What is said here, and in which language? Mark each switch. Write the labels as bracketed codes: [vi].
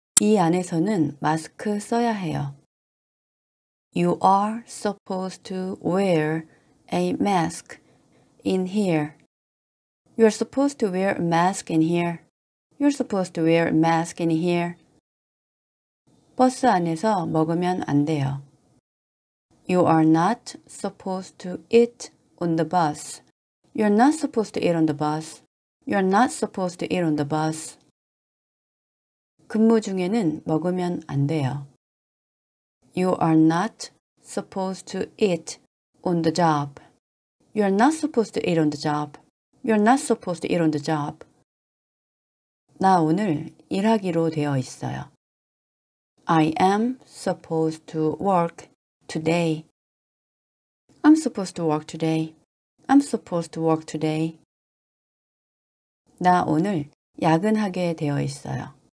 [ko] 이 안에서는 마스크 써야 해요. [en] You are supposed to wear a mask in here. You're supposed to wear a mask in here. You're supposed to wear a mask in here. [ko] 버스 안에서 먹으면 안 돼요. [en] You are not supposed to eat on the bus. You're not supposed to eat on the bus. You're not supposed to eat on the bus. [ko] 근무 중에는 먹으면 안 돼요. [en] You are not supposed to eat on the job. You're not supposed to eat on the job. You're not supposed to eat on the job. [ko] 나 오늘 일하기로 되어 있어요. [en] I am supposed to work today. I'm supposed to work today. I'm supposed to work today. [ko] 나 오늘 야근하게 되어 있어요.